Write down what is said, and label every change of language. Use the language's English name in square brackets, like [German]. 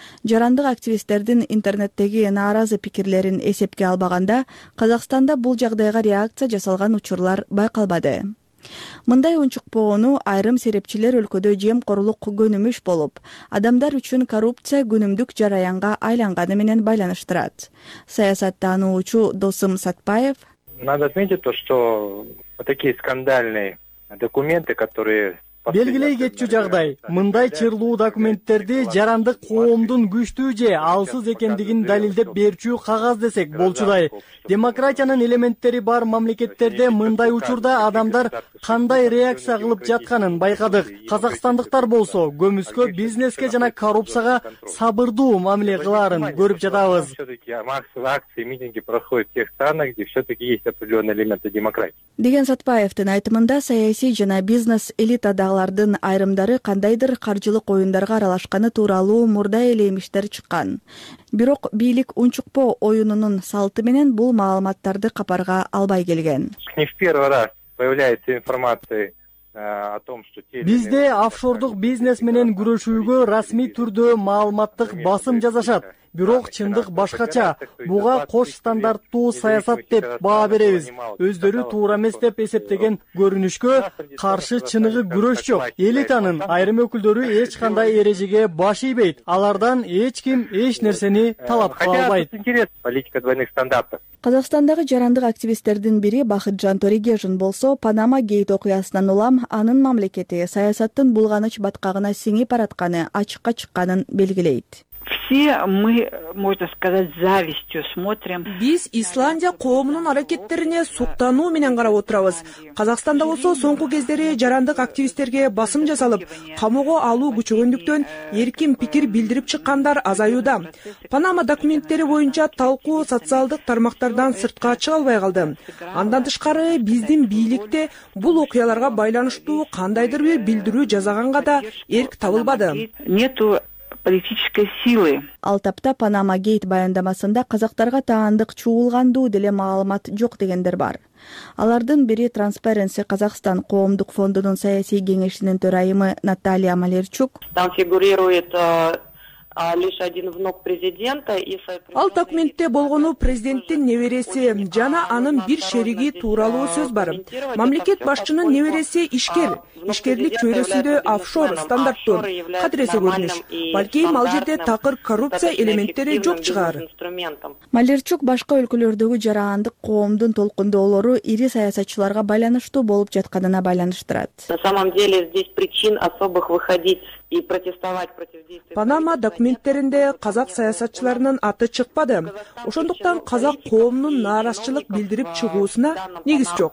[Kyrgyz] Жарандык активисттердин интернеттеги нааразы пикирлерин эсепке албаганда, Казакстанда бул жагдайга реакция жасалган учурлар байкалбады. Мындай унчукпоону айрым серепчилер өлкөдө жемкорлук көнүмүш болуп, адамдар үчүн коррупция күнүмдүк жараянга айланганы менен байланыштырат. Саясаттануучу Досым Сатпаев: [Russian] Надо отметить то, что вот такие скандальные документы, которые [Kyrgyz] белгилей кетчү жагдай, мындай чырлуу документтерди жарандык коомдун күчтүү же алсыз экендигин далилдеп берчү кагаз десек болчудай. Демократиянын элементтери бар мамлекеттерде мындай учурда адамдар кандай реакция кылып жатканын байкадык. Казакстандыктар болсо, көмүскө, бизнеске жана коррупцияга сабырдуу мамиле кыларын көрүп жатабыз. [Russian] Массовые акции, митинги проходят в тех странах, где все-таки есть определенные элементы демократии. [Kyrgyz] Деген Сатпаевдин айтымында саясий жана бизнес элита алардын айрымдары кандайдыр каржылык оюндарга аралашканы тууралуу мурда эле эмиштер чыккан. Бирок бийлик унчукпоо оюнунун салты менен бул маалыматтарды капарга албай келген. [Russian] Не в первый раз появляется информация о том, что те [Kyrgyz] бизде офшордук бизнес менен күрөшүүгө расмий түрдө маалыматтык басым жасашат. Бирок чындык башкача. Буга кош стандарттуу саясат деп баа беребиз. Өздөрү туура эмес деп эсептеген көрүнүшкө каршы чыныгы күрөш жок. Элитанын айрым өкүлдөрү эч кандай эрежеге баш ийбейт. Алардан эч ким эч нерсени талап кыла албайт. [Russian] Политика двойных стандартов. [Kyrgyz] Казакстандагы жарандык активисттердин бири Бахытжан Торегежин болсо, Панама Гейт окуясынан улам анын мамлекети саясаттын булганыч баткагына сиңип баратканы ачыкка чыкканын белгилейт. [Russian] Все мы, можно сказать, завистью смотрим. [Kyrgyz] Биз Исландия коомунун аракеттерине суктануу менен карап отурабыз. Казакстанда болсо соңку кездери жарандык активисттерге басым жасалып, камоого алуу күчөгөндүктөн эркин пикир билдирип чыккандар азаюуда. Панама документтери боюнча талкуу социалдык тармактардан сыртка чыга албай калды. Андан тышкары биздин бийликте бул окуяларга байланыштуу кандайдыр бир билдирүү жасаганга да эрк табылбады. [Russian] Нету политической силы. [Kyrgyz] Ал тапта Панама Гейт баяндамасында казактарга таандык чуулгандуу деле маалымат жок дегендер бар. Алардын бири Transparency Казахстан коомдук фондунун саясий кеңешинин төрайымы Наталья Малерчук. [Russian] Там фигурирует лишь один внук президента. [Kyrgyz] Ал документте болгону президенттин небереси жана анын бир шериги тууралуу сөз бар. Мамлекет башчынын небереси ишкер. Ишкерлик чөйрөсүндө офшор стандарттуу кадыресе көрүнүш. Балким ал жерде такыр коррупция элементтери жок чыгар. Малерчук башка өлкөлөрдөгү жарандык коомдун толкундоолору ири саясатчыларга байланыштуу болуп жатканына байланыштырат. [Russian] На самом деле здесь причин особых выходить и протестовать против действий. [Kyrgyz] Панама документтеринде казак саясатчыларынын аты чыкпады. Ошондуктан казак коомунун нааразычылык билдирип чыгуусуна негиз жок.